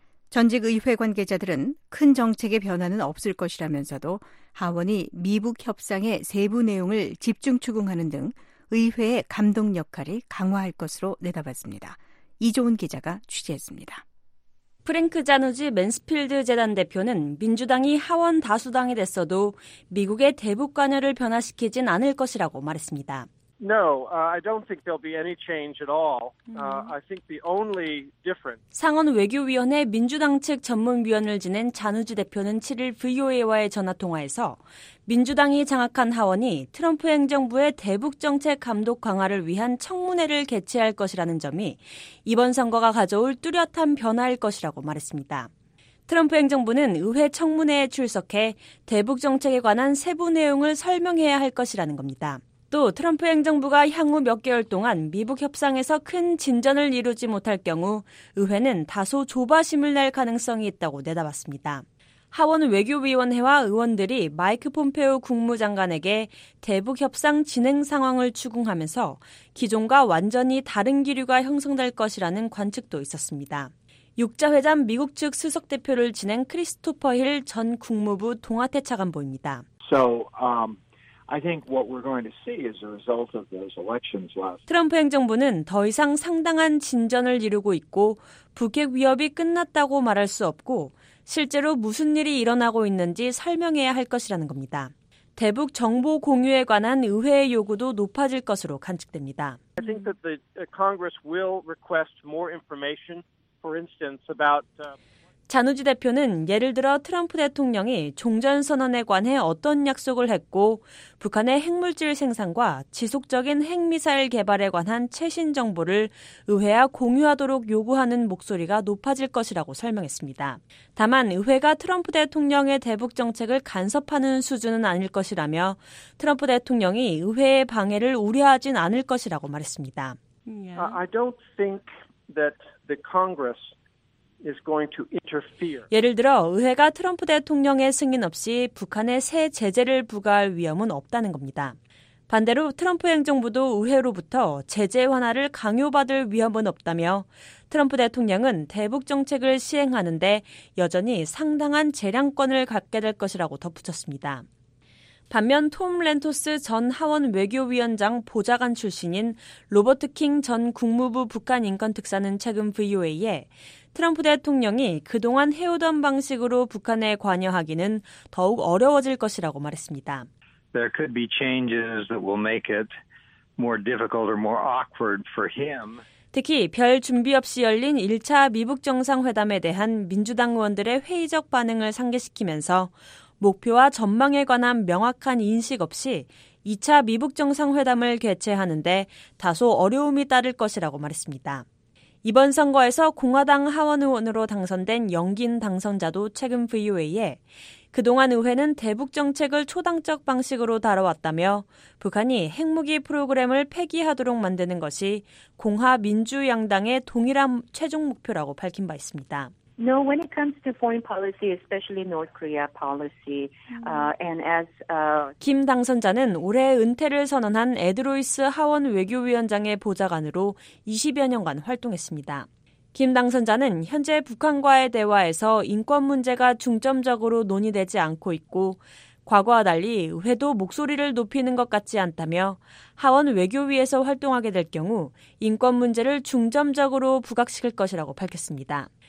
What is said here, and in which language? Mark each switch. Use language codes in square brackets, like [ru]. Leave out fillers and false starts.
[ko] 전직 의회 관계자들은 큰 정책의 변화는 없을 것이라면서도 하원이 미북 협상의 세부 내용을 집중 추궁하는 등 의회의 감독 역할이 강화할 것으로 내다봤습니다. 이조은 기자가 취재했습니다. 프랭크 자누지 맨스필드 재단 대표는 민주당이 하원 다수당이 됐어도 미국의 대북 관여를 변화시키진 않을 것이라고 말했습니다. [en] No, I don't think there'll be any change at all. I think the only difference. [ko] 상원 외교위원회 민주당 측 전문위원을 지낸 자누지 대표는 7일 VOA와의 전화 통화에서 민주당이 장악한 하원이 트럼프 행정부의 대북 정책 감독 강화를 위한 청문회를 개최할 것이라는 점이 이번 선거가 가져올 뚜렷한 변화일 것이라고 말했습니다. 트럼프 행정부는 의회 청문회에 출석해 대북 정책에 관한 세부 내용을 설명해야 할 것이라는 겁니다. 또 트럼프 행정부가 향후 몇 개월 동안 미북 협상에서 큰 진전을 이루지 못할 경우 의회는 다소 조바심을 낼 가능성이 있다고 내다봤습니다. 하원 외교위원회와 의원들이 마이크 폼페오 국무장관에게 대북 협상 진행 상황을 추궁하면서 기존과 완전히 다른 기류가 형성될 것이라는 관측도 있었습니다. 6자회담 미국 측 수석대표를 지낸 크리스토퍼 힐 전 국무부 동아태 차관보입니다. [en] So, I think what we're going to see is a result of those elections last. [ko] 트럼프 행정부는 더 이상 상당한 진전을 이루고 있고 북핵 위협이 끝났다고 말할 수 없고 실제로 무슨 일이 일어나고 있는지 설명해야 할 것이라는 겁니다. 대북 정보 공유에 관한 의회의 요구도 높아질 것으로 관측됩니다. [en] I think that the Congress will request more information, for instance, about. [ko] 자누지 대표는 예를 들어 트럼프 대통령이 종전선언에 관해 어떤 약속을 했고 북한의 핵물질 생산과 지속적인 핵미사일 개발에 관한 최신 정보를 의회와 공유하도록 요구하는 목소리가 높아질 것이라고 설명했습니다. 다만 의회가 트럼프 대통령의 대북 정책을 간섭하는 수준은 아닐 것이라며 트럼프 대통령이 의회의 방해를 우려하진 않을 것이라고 말했습니다. [en] I don't think that the Congress is going to interfere. [ko] 예를 들어 의회가 트럼프 대통령의 승인 없이 북한에 새 제재를 부과할 위험은 없다는 겁니다. 반대로 트럼프 행정부도 의회로부터 제재 완화를 강요받을 위험은 없다며 트럼프 대통령은 대북 정책을 시행하는데 여전히 상당한 재량권을 갖게 될 것이라고 덧붙였습니다. 반면 톰 렌토스 전 하원 외교위원장 보좌관 출신인 로버트 킹 전 국무부 북한인권특사는 최근 VOA에 트럼프 대통령이 그동안 해오던 방식으로 북한에 관여하기는 더욱 어려워질 것이라고 말했습니다. [en] There could be changes that will make it more difficult or more awkward for him. [ko] 특히 별 준비 없이 열린 1차 미북 정상회담에 대한 민주당 의원들의 회의적 반응을 상기시키면서 목표와 전망에 관한 명확한 인식 없이 2차 미북 정상회담을 개최하는데 다소 어려움이 따를 것이라고 말했습니다. 이번 선거에서 공화당 하원 의원으로 당선된 영긴 당선자도 최근 VOA에 그동안 의회는 대북 정책을 초당적 방식으로 다뤄왔다며 북한이 핵무기 프로그램을 폐기하도록 만드는 것이 공화민주양당의 동일한 최종 목표라고 밝힌 바 있습니다. [en] No, when it comes to foreign policy, especially North Korea policy, and as [ko] 김 당선자는 올해 은퇴를 선언한 에드로이스 하원 외교위원장의 보좌관으로 20여 년간 활동했습니다. 김 당선자는 현재 북한과의 대화에서 인권 문제가 중점적으로 논의되지 않고 있고 과거와 달리 의회도 목소리를 높이는 것 같지 않다며 하원 외교위에서 활동하게 될 경우 인권 문제를 중점적으로 부각시킬 것이라고 밝혔습니다.